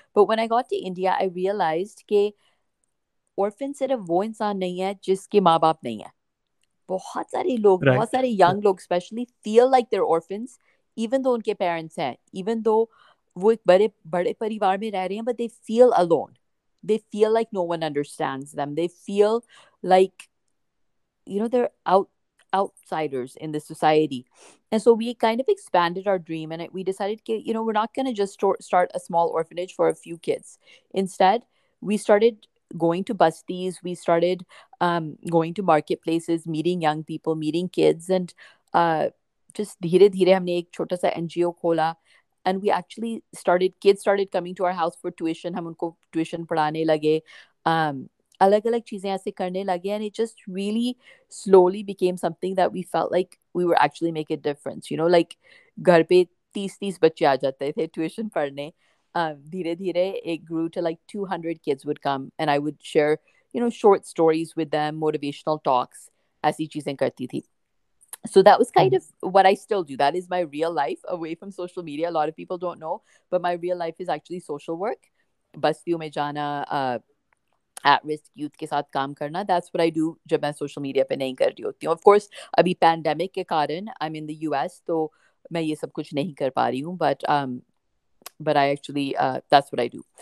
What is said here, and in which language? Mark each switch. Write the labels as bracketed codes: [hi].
[en] but when I got to India I realize [hi] कि orphan सिर्फ वो इंसान नहीं है जिसके माँ बाप नहीं है. बहुत सारे लोग, बहुत सारे यंग लोग [en] specially feel like they're orphans, even though [hi] उनके पेरेंट्स हैं, इवन दो वो एक बड़े बड़े परिवार में रह रहे हैं, [en] But they feel alone. They feel like no one understands them. They feel like, you know, they're outsiders in the society. And so we kind of expanded our dream, and we decided, you know, we're not going to just start a small orphanage for a few kids. Instead, we started going to busties, we started going to marketplaces, meeting young people, meeting kids, and just [hi] dheere dheere humne ek chota sa NGO khola. [en] And we actually started, kids started coming to our house for tuition. [hi] Hum unko tuition padhane lage. अलग अलग चीज़ें ऐसे करने लगे, [en] And it just really slowly became something that we felt like we were actually make a difference. You know, like [hi] घर पे 30-30 बच्चे आ जाते थे ट्यूशन पढ़ने. धीरे धीरे [en] it grew to like 200 kids would come, and I would share you know short stories with them, motivational talks, [hi] ऐसी चीज़ें करती थी. [en] So that was kind of what I still do. That is my real life away from social media. A lot of people don't know, but my real life is actually social work. [hi] बस्तियों में जाना, [en] at risk youth [hi] ke sath kaam karna, [en] that's what I do [hi] jab main social media pe nahi karti hoti. [en] Of course [hi] abhi pandemic ke karan [en] I'm in the US, [hi] so main ye sab kuch nahi kar pa rahi hu, [en] but I actually that's what I do.